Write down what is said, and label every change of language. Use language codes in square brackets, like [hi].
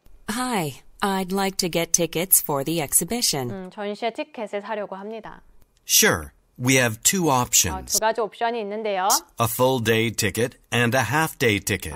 [en] Hi, I'd like to get tickets for the exhibition. [ko] 전시회 티켓을 사려고 합니다. [en] Sure. We have two options. [ko] 아, 두 가지 옵션이 있는데요. [en] A full day ticket and a half day ticket.